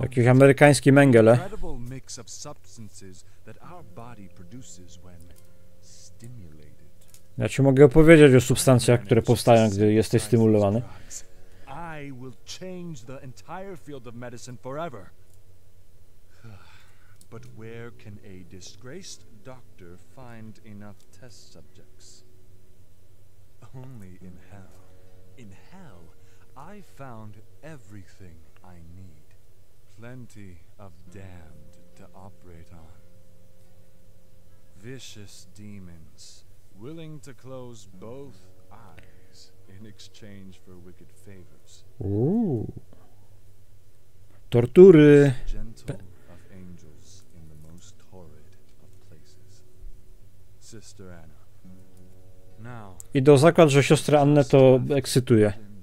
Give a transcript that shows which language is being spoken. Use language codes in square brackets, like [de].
[pl] jakiś amerykański Mengele. [en] Incredible mix of substances that our body produces when stimulated. [pl] Ja ci mogę opowiedzieć o substancjach, które powstają, gdy jesteś stymulowany. [en] I will change the entire field of medicine forever. But where can a disgraced doctor find enough test subjects? Only in hell. In hell I found everything I need. Plenty of damned to operate on. Vicious demons. Willing to close both eyes in exchange for wicked favors. [pl] Tortury. [en] Gentle of angels in the most torrid of places. Sister Anna. Now. [pl] I do zakład, że siostrę Annę to ekscytuje.